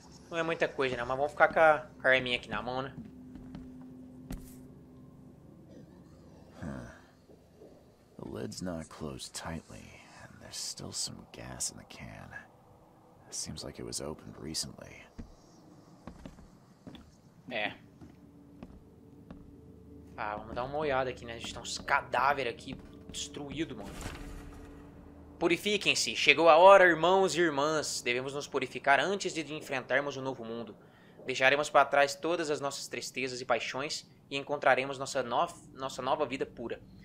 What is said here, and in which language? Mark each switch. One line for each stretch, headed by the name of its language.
Portuguese: Não é muita coisa, né? Mas vamos ficar com a arminha aqui na mão, né?
English: The lid's not closed tightly. There's still some gas in the can. Seems like it was opened recently.
Portuguese: É. Ah, vamos dar uma olhada aqui, né? A gente tem uns cadáveres aqui destruído, mano. Purifiquem-se. Chegou a hora, irmãos e irmãs. Devemos nos purificar antes de enfrentarmos um novo mundo. Deixaremos para trás todas as nossas tristezas e paixões e encontraremos nossa nova vida pura.